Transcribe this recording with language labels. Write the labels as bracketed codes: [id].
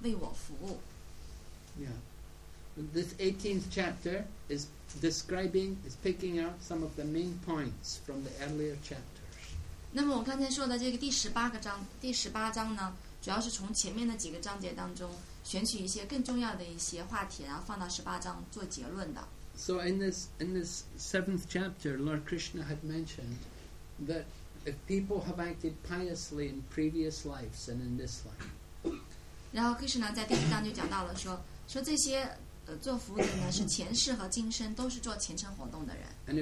[zh] 讲述了什么样的人可以去做分享服务的。今生前世行事虔诚，彻底根绝了恶行的人，就不再受双重性的迷惑，而是坚定不移地为我服务。 [en] Yeah. This 18th chapter is describing, is picking out some of the main points from the earlier chapters. [zh] 那么我刚才说的这个第十八章呢？主要是从前面的几个章节当中选取一些更重要的一些话题，然后放到十八章做结论的。 [en] So in this seventh chapter, Lord Krishna had mentioned that if people have acted piously in previous lives and in this life, [zh] 然后 Krishna 在第一章就讲到了说，说这些做服务的人是前世和今生都是做虔诚活动的人。 [en] And